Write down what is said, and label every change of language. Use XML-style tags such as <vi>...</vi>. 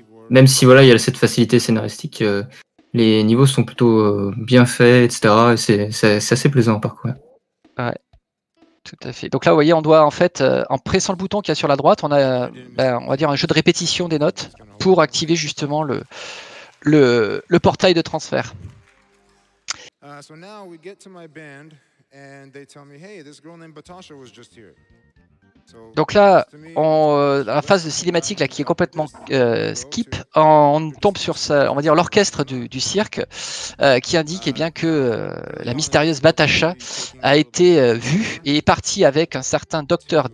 <fr>Même si voilà, il y a cette facilité scénaristique, les niveaux sont plutôt bien faits, etc. C'est assez plaisant à parcourir. Ouais. Tout à fait. Donc là, vous voyez, on doit en fait, en pressant le bouton qu'il y a sur la droite, on a, ben, on va dire, un jeu de répétition des notes pour activer justement le portail de transfert.</fr> <en>So now we get to my band and they tell me, hey, this girl named Batasha was just here.</en> <fr>Donc là, dans la phase de cinématique là, qui est complètement skip, on tombe sur on va dire, l'orchestre du cirque qui indique eh bien, que la mystérieuse Batasha a été vue et est partie avec un certain Dr.</fr>